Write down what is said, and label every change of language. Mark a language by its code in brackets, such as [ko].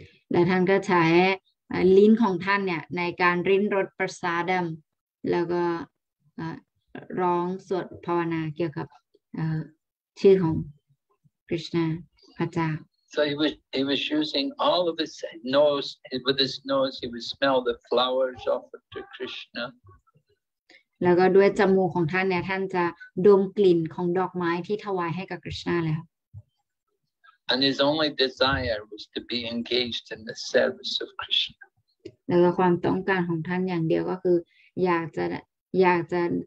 [th] และท่านก็ใช้ลิ้นของท่านเนี่ยในการริ้นรสประสาดัมแล้วก็ร้องสวดภาวนาเกี่ยวกับชื่อของคริชนาพระเจ้า [en] So he was using all of his nose. With his nose, he would smell the flowers offered to Krishna. [th] แล้วก็ด้วยจมูกของท่านเนี่ยท่านจะดมกลิ่นของดอกไม้ที่ถวายให้กับคริชนาแล้ว [en] And his only desire was to be engaged in the service of Krishna. [th] แล้วก็ความต้องการของท่านอย่างเดียวก็คืออยากจะ